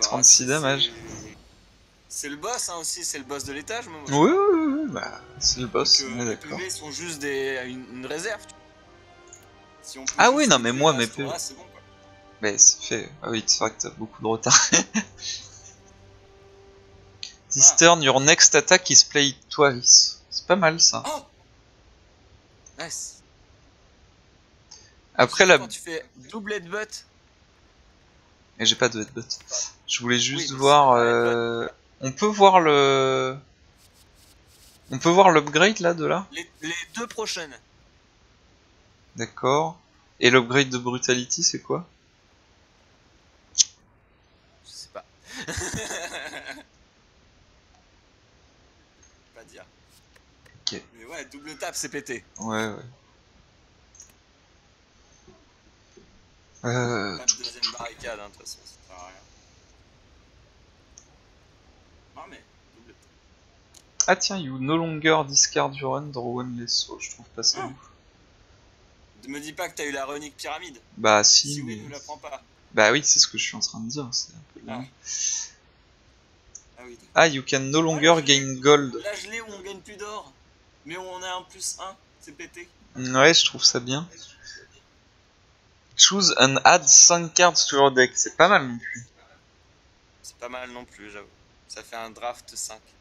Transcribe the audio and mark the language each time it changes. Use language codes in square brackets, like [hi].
[fr] 36 dommages. C'est le boss hein, aussi, c'est le boss de l'étage. Moi, oui, bah, c'est le boss. Donc, mes d'accord. PV sont juste une réserve. Si on ah oui, non, mais moi, mes PV. Bon, mais c'est fait. Ah oui, c'est vrai que t'as beaucoup de retard. [en] This turn, your next attack is played twice. [fr] C'est pas mal ça. [en] Oh nice. [fr] Après quand la. Tu fais double headbutt. Et j'ai pas de headbutt. Je voulais juste voir. On peut voir le. On peut voir l'upgrade là de là? Les deux prochaines. D'accord. Et l'upgrade de Brutality, c'est quoi? Je sais pas. Pas dire. Ok. Mais ouais, double tap, c'est pété. Ouais, ouais. Pas de deuxième barricade, hein, de toute façon, ça sert à rien. Non, mais. Ah tiens, [en] you no longer discard your run, draw one less soul, [fr] je trouve pas ça ouf. Ne me dis pas que t'as eu la runic pyramide. Bah si, si mais... Oui, nous la prends pas. Bah oui, c'est ce que je suis en train de dire, c'est un peu... Ah, ah oui. [en] Ah, you can no longer là, gain gold. [fr] Là je l'ai où on gagne plus d'or, mais où on a un plus 1, c'est pété. Ouais, je trouve ça bien. [en] Choose and add 5 cards to your deck, [fr] c'est pas mal non plus. C'est pas mal non plus, j'avoue. Ça fait un draft 5.